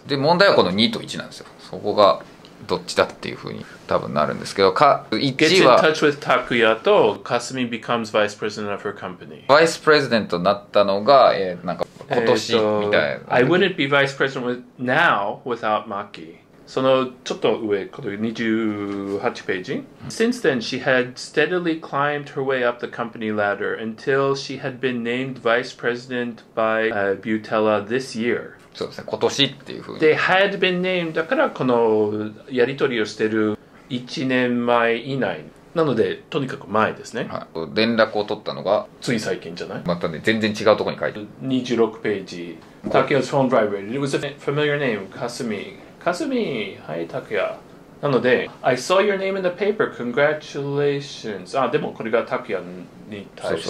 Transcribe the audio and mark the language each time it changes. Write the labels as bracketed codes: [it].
[ja] はい。で、問題はこの2と1なんですよ。そこがどっちだっていうふうに多分なるんですけど、か1は [en] Gets in touch with Takuya と Kasumi becomes vice president of her company。 [ja] Vice president となったのが、なんか今年みたいな。 [en] I wouldn't be vice president now without Maki. [ja] そのちょっと上、これ28ページ。 [en] Since then, she had steadily climbed her way up the company ladder until she had been named vice president by Butella this year. [ja] そうですね、今年っていうふうに。 [en] They had been named, [ja] だからこのやり取りをしてる1年前以内。なのでとにかく前ですね、はい、連絡を取ったのがつい最近じゃないまたね全然違うところに書いてある26ページ [en] Takuya's phone vibrated It was a familiar name Kasumi Kasumi [ja] はい [en] Takuya [ja] なので [en] I saw your name in the paper Congratulations [ja] あでもこれが [en] Takuya [ja] に対して